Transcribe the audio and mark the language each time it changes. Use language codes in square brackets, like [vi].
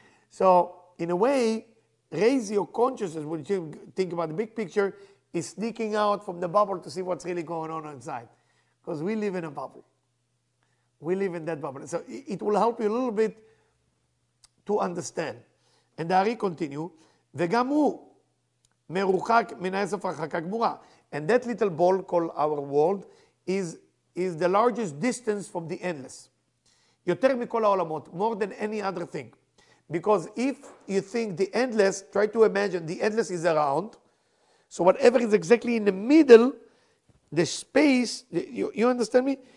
[en] So in a way, raise your consciousness when you think about the big picture is sneaking out from the bubble to see what's really going on inside. Because we live in a bubble. We live in that bubble. So it will help you a little bit to understand. And the Ari continue, [he] וגם הוא מרוחק מן הסף הרחקה גמורה. [en] And that little ball called our world is the largest distance from the endless. [he] יותר מכל העולמות, [en] more than any other thing. Because if you think the endless, try to imagine the endless is around. So whatever is exactly in the middle, the space, you understand me?